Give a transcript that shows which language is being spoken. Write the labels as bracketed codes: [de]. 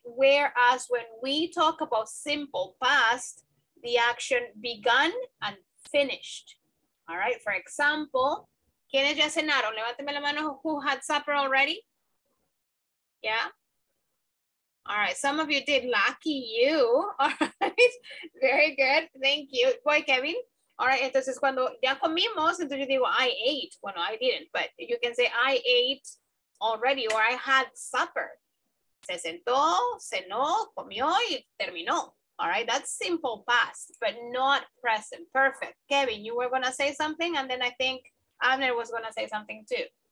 [en] Whereas when we talk about simple past, the action began and finished, all right? For example, [es] ¿quiénes ya cenaron? Levánteme la mano, [en] who had supper already? Yeah? All right, some of you did, lucky you. All right, very good, thank you. Boy, Kevin. [es] All right, entonces cuando ya comimos, entonces yo digo, [en] I ate. Bueno, I didn't, but you can say, I ate already, or I had supper. [es] Se sentó, cenó, comió, y terminó. [en] All right, that's simple past, but not present perfect. Kevin, you were gonna say something, and then I think Abner was gonna say something too.